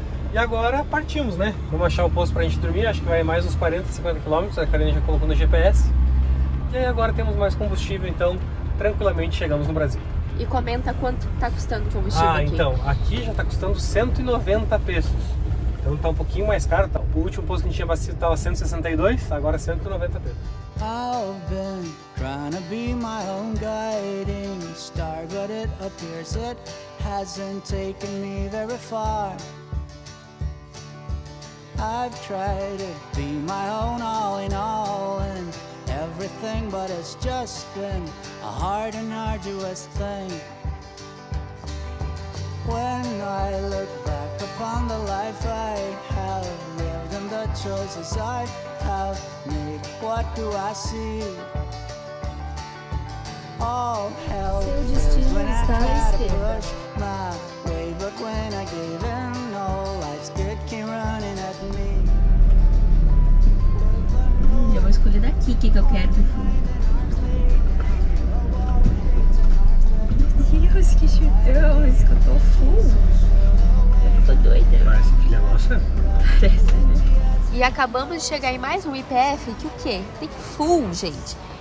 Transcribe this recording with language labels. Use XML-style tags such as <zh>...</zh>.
<pt>E agora partimos, né? Vamos achar o posto pra gente dormir, acho que vai mais uns 40, 50 quilômetros, a Karina já colocou no GPS. E aí agora temos mais combustível, então tranquilamente chegamos no Brasil. E comenta quanto tá custando o combustível aqui. Ah, então, aqui já tá custando 190 pesos. Então tá um pouquinho mais caro, tá? O último posto que a gente tinha abastecido tava 162, agora 190 pesos.</pt> <en>I've been trying to be my own guiding star, but it appears it hasn't taken me very far. I've tried to be my own all in all and everything, but it's just been a hard and arduous thing. When I look back upon the life I have lived and the choices I have made, what do I see? All hell is when I try to push my way, but when I give in, all life's good came running at me.</en> <pt>Já vou escolher daqui o que eu quero do fundo. Deus, que chutão! Escutou o fundo. Eu tô doida. Parece filha nossa. Parece, né? E acabamos de chegar em mais um IPF que o quê? Tem full, gente.</pt>